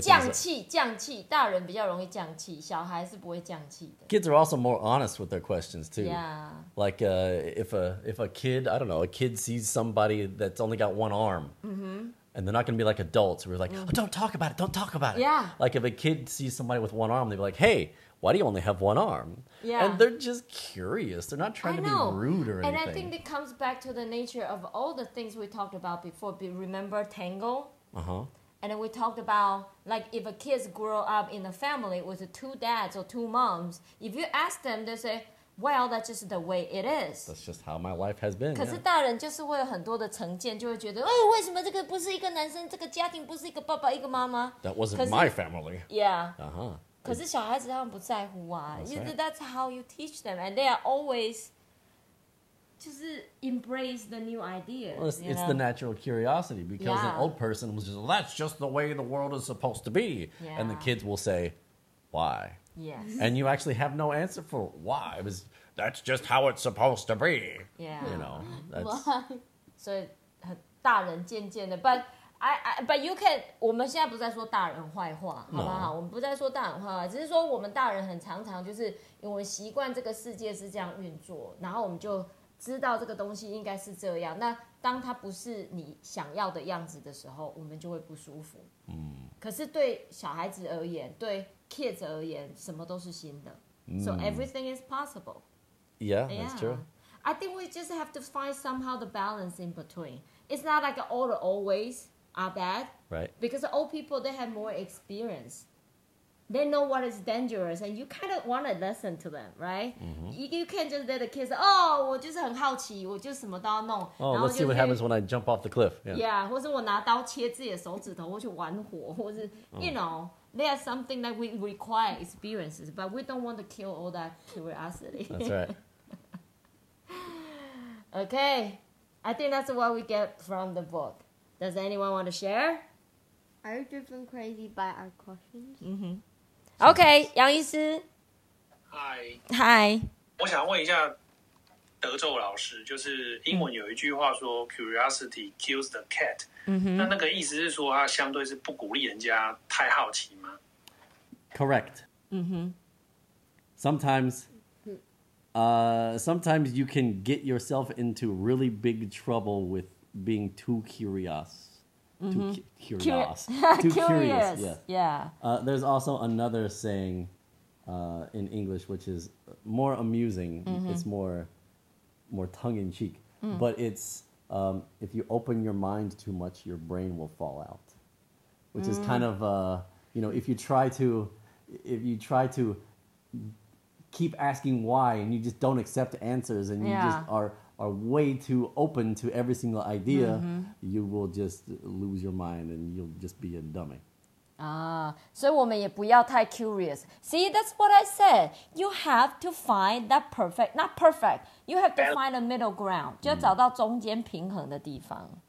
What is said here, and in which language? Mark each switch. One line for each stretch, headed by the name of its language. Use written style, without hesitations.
Chinese: 降气，降气，大人比较容易降气，小孩是不会降气的。
English: Kids are also more honest with their questions too. Yeah. Like if a kid, I don't know, a kid sees somebody that's only got one arm. And they're not going to be like adults. We're like, oh, don't talk about it. Don't talk about it. Yeah. Like if a kid sees somebody with one arm, they'd be like, hey, why do you only have one arm? Yeah. And they're just curious. They're not trying to be rude or anything. And I think it comes back to the nature of all the things we talked about before. Remember Tangle? Uh-huh. And we talked about, like, if a kid grew up in a family with two dads or two moms, if you ask them, they say, well, that's just the way it is. That's just how my life has been.
Chinese: 可是大人就是会有很多的成见，就会觉得，哦，为什么这个不是一个男生，这个家庭不是一个爸爸，一个妈妈？
English: That wasn't my family. Yeah. Uh-huh.
Chinese: 可是小孩子他们不在乎啊。
English: That's how you teach them, and they are always... Just embrace the new idea. Well, it's the natural curiosity because an old person was just, that's just the way the world is supposed to be. Yeah. And the kids will say, why? Yes. And you actually have no answer for why. It was, that's just how it's supposed to be. Yeah. You know, that's...
Chinese: So, 大人渐渐的,
English: but, but you can,
Chinese: 我们现在不再说大人坏话, 好不好?
English: No.
Chinese: 我们不再说大人坏话, 只是说我们大人很常常就是因为习惯这个世界是这样运作, 然后我们就知道这个东西应该是这样，那当它不是你想要的样子的时候，我们就会不舒服。嗯，可是对小孩子而言，对 kids 而言，什么都是新的。
English: So everything is possible. Yeah, that's true. I think we just have to find somehow the balance in between. It's not like all the old ways are bad. Right. Because old people, they have more experience. They know what is dangerous, and you kind of want to listen to them, right? Mm-hmm. You can't just let the kids, oh,
Chinese: 我就是很好奇，我就什么都要弄。
English: Oh, let's see what happens when I jump off the cliff. Yeah. Yeah,
Chinese: 或是我拿刀切自己的手指头，或去玩火，或是
English: you know, there are something that we require experiences, but we don't want to kill all that curiosity. That's right. Okay, I think that's what we get from the book. Does anyone want to share? Are you driven crazy by our questions? Mm-hmm. Okay, 杨医师。 Hi. Hi.
Chinese: 我想问一下德州老师，就是英文有一句话说 curiosity kills the cat. 那那个意思是说它相对是不鼓励人家太好奇吗？
English: Correct. Mm-hmm. Sometimes you can get yourself into really big trouble with being too curious. Too curious. Yeah. There's also another saying in English, which is more amusing. Mm-hmm. It's more tongue-in-cheek. Mm. But it's, if you open your mind too much, your brain will fall out. Which is kind of, you know, if you try to keep asking why and you just don't accept answers and you just are way too open to every single idea, mm-hmm. you will just lose your mind and you'll just be a dummy. Ah, so
Chinese: 我们也不要太
English: curious. See, that's what I said. You have to find that perfect, not perfect. You have to find a middle ground.
Chinese: 就要找到中间平衡的地方。